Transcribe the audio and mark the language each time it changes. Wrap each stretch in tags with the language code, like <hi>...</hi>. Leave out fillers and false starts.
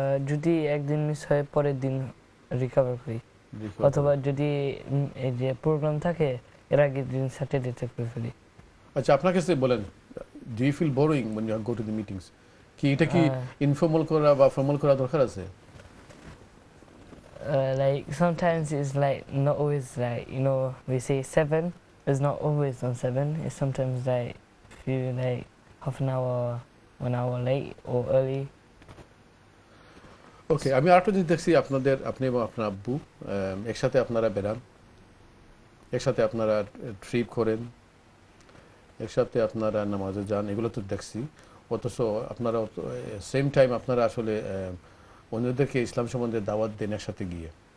<bn>যদি একদিন মিস হয় পরের দিন রিকভার করি, অথবা যদি এই যে প্রোগ্রাম থাকে এর আগের দিন স্যাটারডেতে করে ফেলি। আচ্ছা আপনার কাছে বলেন,</bn> <en>Do you feel boring when you go to the meetings?</en> <bn>কি এটা কি ইনফর্মাল করা বা ফর্মাল করা দরকার আছে?</bn> <en>Like sometimes it's like not always like you know we say seven is not always on seven, it's sometimes like few like half an hour, 1 hour late or early.</en> <bn>ওকে, আমি আরেকটা জিনিস দেখছি, আপনাদের আপনি এবং আপনার আব্বু একসাথে আপনারা বেড়ান, একসাথে আপনারা ট্রিপ করেন, একসাথে আপনারা নামাজে যান, এগুলো তো দেখছি। অথচ আপনারা সেম টাইম আপনারা আসলে অন্যদেরকে ইসলাম সম্বন্ধে দাওয়াত দেন একসাথে গিয়ে।</bn>